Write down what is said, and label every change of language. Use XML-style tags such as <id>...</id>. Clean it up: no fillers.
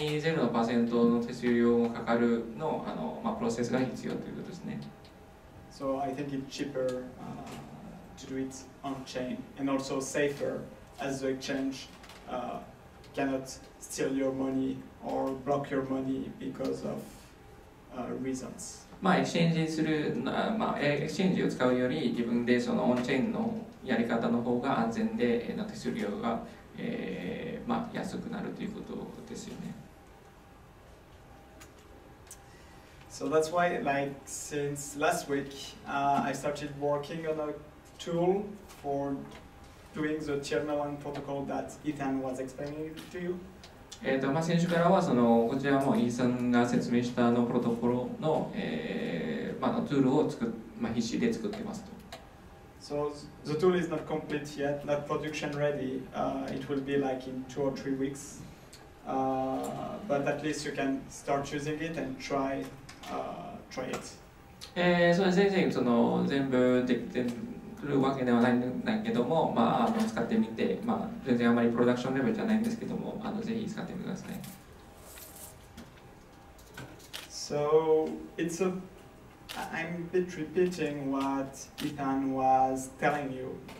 <ja>0.20% の手数料もかかるの、まあ、プロセスが必要ということですね。</ja> <en>So I think it's cheaper, to do it on chain and also safer as the exchange, cannot steal your money. Or block your money because of reasons.</en> <ja>まあ、エクシェンジする、まあ、エクシェンジを使うより自分でそのオンチェーンのやり方の方が安全で、手数料が、まあ、安くなるということですよね。</ja> <en>So that's why, like, since last week, I started working on a tool for doing the Tier 1 protocol that Ethan was explaining to you.</en> <ja>まあ、先週からはそのこちらもイーサンが説明したのプロトコル の、まあのツールを作、まあ、必死で作っていますと。</ja> <en>So the tool is not complete yet, not production ready. It will be like in two or three weeks. But at least you can start using it and try it.</en> <ja>そうですね、その全部できてるわけではないんだけども、まあ、使ってみて、まあ、全然あまりプロダクションレベルじゃないんですけども、ぜひ使ってみてください。</ja> <en>So, it's I'm a bit repeating what Ethan was telling you,</en>